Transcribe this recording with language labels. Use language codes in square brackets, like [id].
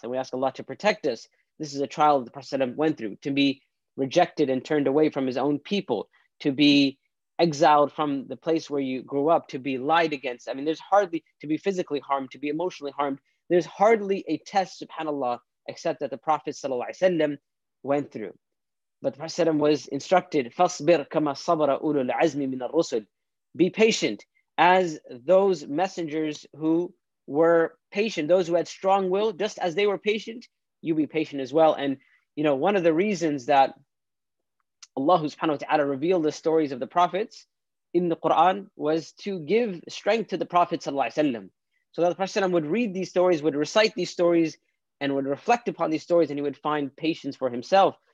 [en] And we ask Allah to protect us. This is a trial that the Prophet went through, to be rejected and turned away from his own people, to be exiled from the place where you grew up, to be lied against. I mean, there's hardly, to be physically harmed, to be emotionally harmed. There's hardly a test, subhanAllah, except that the Prophet went through. But the Prophet was instructed, [ar] فَاصْبِرْ كَمَا صَبَرَ أُولُو الْعَزْمِ مِنَ الرُّسُلِ. [en] Be patient as those messengers who were patient, those who had strong will, just as they were patient, you be patient as well. And, you know, one of the reasons that Allah subhanahu wa ta'ala revealed the stories of the prophets in the Quran was to give strength to the Prophet sallallahu alaihi wasallam, so that the Prophet would read these stories, would recite these stories, and would reflect upon these stories, and he would find patience for himself.